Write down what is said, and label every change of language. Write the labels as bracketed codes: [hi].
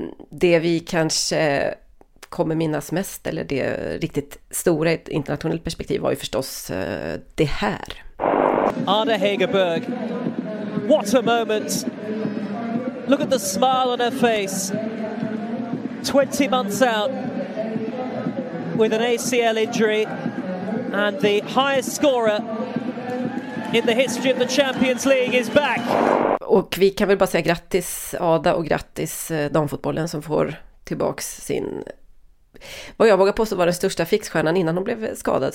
[sv] Det vi kanske kommer minnas mest, eller det riktigt stora i ett internationellt perspektiv, var ju förstås det här. [en] Arne Hegerberg, what a moment! Look at the smile on her face. 20 months out with an ACL injury and the highest scorer in the history of the Champions League is back. [sv] Och vi kan väl bara säga grattis Ada och grattis damfotbollen som får tillbaks sin, vad jag vågar påstå var den största fixstjärnan innan hon blev skadad.